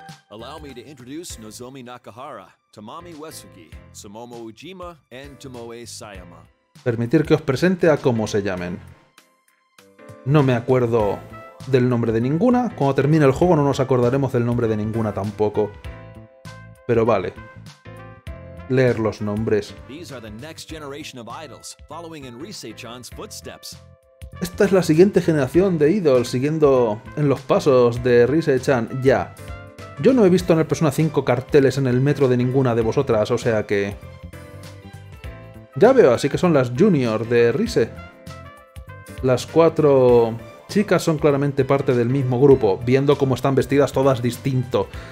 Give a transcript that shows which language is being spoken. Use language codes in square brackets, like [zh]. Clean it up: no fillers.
[en] Allow me to introduce Nozomi Nakahara, Tamami Uesugi, Sumomo Ujima and Tomoe Sayama. [es] Permitir que os presente a cómo se llamen. No me acuerdo del nombre de ninguna. Cuando termine el juego no nos acordaremos del nombre de ninguna tampoco. Pero vale. Leer los nombres. [en] These are the next generation of idols, following in Rise-chan's footsteps. [es] Esta es la siguiente generación de idols siguiendo en los pasos de Rise-chan. Ya. Yo no he visto en el Persona 5 carteles en el metro de ninguna de vosotras, o sea que... Ya veo, así que son las Junior de Rise. Las cuatro chicas son claramente parte del mismo grupo, viendo cómo están vestidas todas distinto.